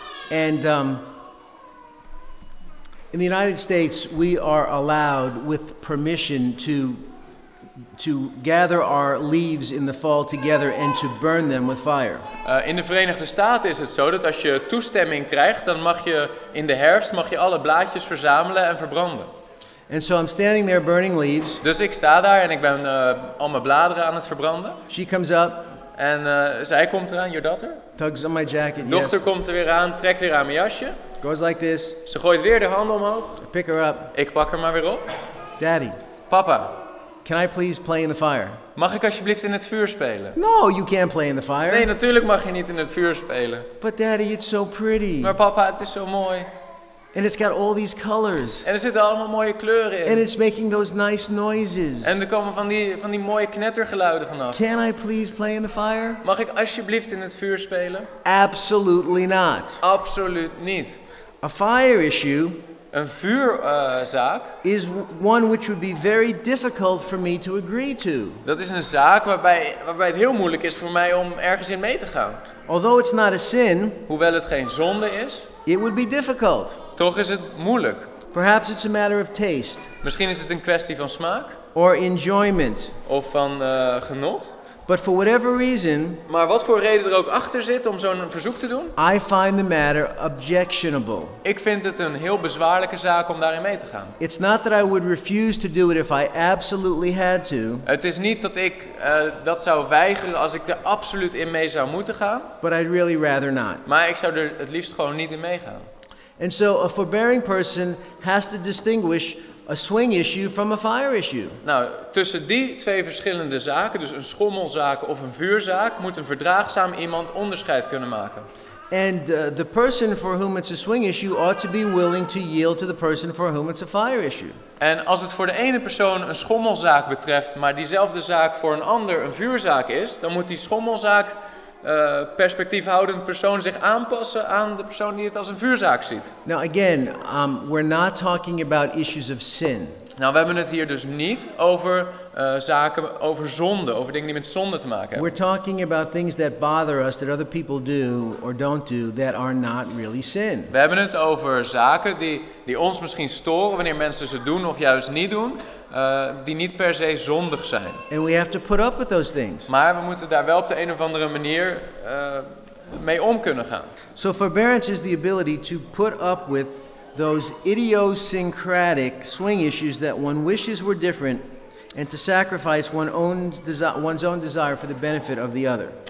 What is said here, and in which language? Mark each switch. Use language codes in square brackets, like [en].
[en] And in the United States, we are allowed with permission to gather our leaves in the fall together and to burn them with fire. [nl] In de Verenigde Staten is het zo dat als je toestemming krijgt, dan mag je in de herfst mag je alle blaadjes verzamelen en verbranden. [en] And so I'm standing there burning leaves. [nl] Dus ik sta daar en ik ben al mijn bladeren aan het verbranden. [en] She comes up. [nl] En zij komt eraan, [en] your daughter. Tugs on my jacket, [nl] dochter [en] yes. [nl] Komt er weer aan, trekt weer aan mijn jasje. [en] Goes like this. [nl] Ze gooit weer de handen omhoog. [en] I pick her up. [nl] Ik pak haar maar weer op. [en] Daddy. [nl] Papa. [en] Can I please play in the fire? [nl] Mag ik alsjeblieft in het vuur spelen? [en] No, you can't play in the fire. [nl] Nee, natuurlijk mag je niet in het vuur spelen. [en] But daddy, it's so pretty. [nl] Maar papa, het is zo mooi. [en] And it's got all these colors. [nl] En er zitten allemaal mooie kleuren in. [en] And it's making those nice noises. [nl] En er komen van die mooie knettergeluiden vanaf. [en] Can I please play in the fire? [nl] Mag ik alsjeblieft in het vuur spelen? [en] Absolutely not. [nl] Absoluut niet. [en] A fire issue. [nl] Een vuurzaak [en] is one which would be very difficult for me to agree to. [nl] Dat is een zaak waarbij het heel moeilijk is voor mij om ergens in mee te gaan. [en] Although it's not a sin, [nl] hoewel het geen zonde is, [en] it would be difficult. [nl] Toch is het moeilijk. [en] Perhaps it's a matter of taste. [nl] Misschien is het een kwestie van smaak. [en] Or enjoyment. [nl] Of van genot. [en] But for whatever reason, [nl] maar wat voor reden er ook achter zit om zo'n verzoek te doen, [en] I find the matter objectionable. [nl] Ik vind het een heel bezwaarlijke zaak om daarin mee te gaan. [en] It's not that I would refuse to do it if I absolutely had to. [nl] Het is niet dat ik dat zou weigeren als ik er absoluut in mee zou moeten gaan. [en] But I'd really rather not. [nl] Maar ik zou er het liefst gewoon niet in meegaan. [en] And so a forbearing person has to distinguish a swing issue from a fire issue. [nl] Nou, tussen die twee verschillende zaken, dus een schommelzaak of een vuurzaak, moet een verdraagzaam iemand onderscheid kunnen maken. [en] And the person for whom it's a swing issue ought to be willing to yield to the person for whom it's a fire issue. [nl] En als het voor de ene persoon een schommelzaak betreft, maar diezelfde zaak voor een ander een vuurzaak is, dan moet die schommelzaak perspectiefhoudend persoon zich aanpassen aan de persoon die het als een vuurzaak ziet. [en] Now again, we're not talking about issues of sin. [nl] Nou, we hebben het hier dus niet over zaken over zonde, over dingen die met zonde te maken hebben. [en] We're talking about things that bother us that other people do or don't do that are not really sin. [nl] We hebben het over zaken die ons misschien storen wanneer mensen ze doen of juist niet doen, die niet per se zondig zijn. [en] And we have to put up with those things. [nl] Maar we moeten daar wel op de een of andere manier mee om kunnen gaan. [en] So forbearance is the ability to put up with those idiosyncratic swing issues that one wishes were different and to sacrifice one's own desire for the benefit of the other.